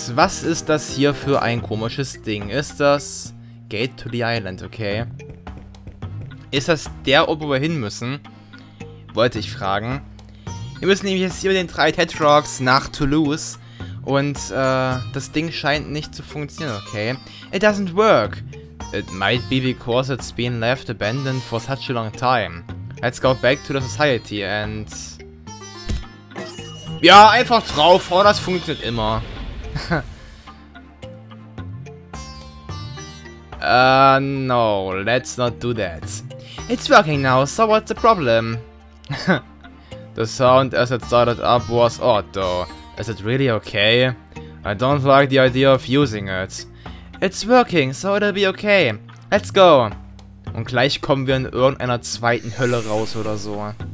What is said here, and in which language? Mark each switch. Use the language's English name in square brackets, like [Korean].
[German] Was ist das hier für ein komisches Ding? Ist das Gate to the Island, okay? Ist das der, wo wir hin müssen? Wollte ich fragen. Wir müssen nämlich jetzt hier mit den drei Tetrarchs nach Toulouse. Und das Ding scheint nicht zu funktionieren, okay? [English] It doesn't work. It might be because it's been left abandoned for such a long time. Let's go back to the society and... [German] Ja, einfach drauf, oh, das funktioniert immer. [English] no, let's not do that. It's working now, so what's the problem? The sound as it started up was odd though. Is it really okay? I don't like the idea of using it. It's working, so it'll be okay. Let's go. [German] Und gleich kommen wir in irgendeiner zweiten Hölle raus oder so.